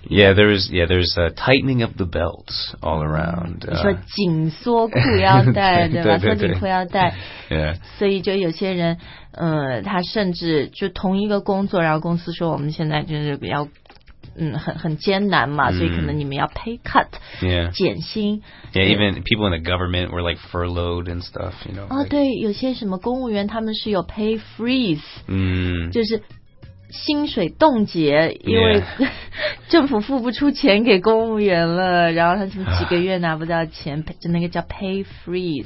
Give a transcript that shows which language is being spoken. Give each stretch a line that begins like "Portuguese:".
English: Yeah, there's a tightening of the belts all around
Chinese: 你说紧缩裤腰带对吧，松紧裤腰带对所以就有些人他甚至就同一个工作，然后公司说我们现在就是要很艰难嘛、mm. 所以可能你们要 pay cut、
English: yeah.
Chinese: 减薪
English: yeah, yeah, even people in the government were like furloughed and stuff you know,、
Chinese: 哦、
English: like,
Chinese: 对有些什么公务员他们是有 pay freeze、 mm. 就是薪水冻结因为、
English: yeah.
Chinese: 政府付不出钱给公务员了然后他什么几个月拿不到钱就那个叫 pay freeze、